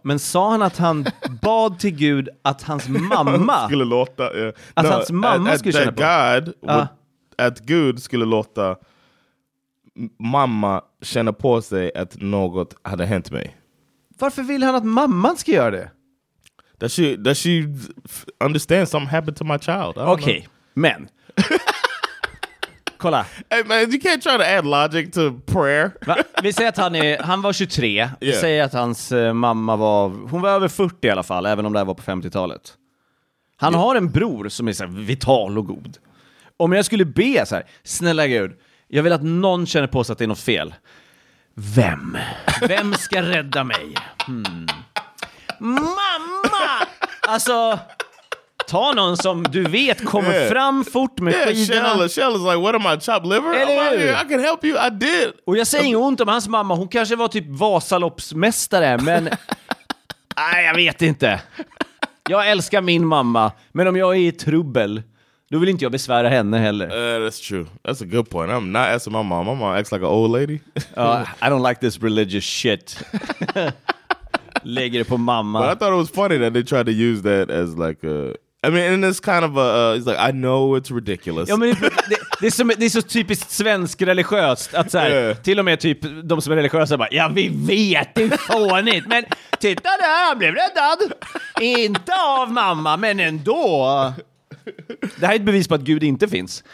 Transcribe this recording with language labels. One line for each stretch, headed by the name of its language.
Swedish: Men sa han att han bad till Gud att hans mamma skulle låta... Att hans mamma skulle känna på. Att Gud skulle låta mamma känna på sig att något hade hänt mig. Varför vill han att mamman ska göra det?
English: Does she understand something happened to my child?
Swedish: Okej, men kolla.
English: Hey man, you can't try to add logic to prayer.
Swedish: Vi säger att han var 23. Vi säger att hans mamma var, hon var över 40 i alla fall, även om det var på 50-talet. Han har en bror som är så här vital och god. Om jag skulle be så här, snälla Gud, jag vill att någon känner på sig att det är något fel. Vem? Vem ska rädda mig? Mamma! Alltså, ta någon som du vet kommer fram fort med skidorna.
English: Shell is like, what am I, chopped liver? I can help you, I did.
Swedish: Och jag säger inget ont om hans mamma. Hon kanske var typ Vasaloppsmästare, men... Nej, jag vet inte. Jag älskar min mamma, men om jag är i trubbel... Du vill inte jag besvära henne heller.
English: That's true. That's a good point. I'm not asking my mom. My mom acts like an old lady. I don't like this religious shit.
Swedish: Lägger det på mamma.
English: But I thought it was funny that they tried to use that as like a... I mean, and it's kind of a... it's like, I know it's ridiculous.
Swedish: Ja, men det är så typiskt svensk religiöst. Att så här, till och med typ de som är religiösa bara, ja, vi vet, det är fånigt. Men titta där, han blev räddad. Inte av mamma, men ändå... Det här är ett bevis på att Gud inte finns.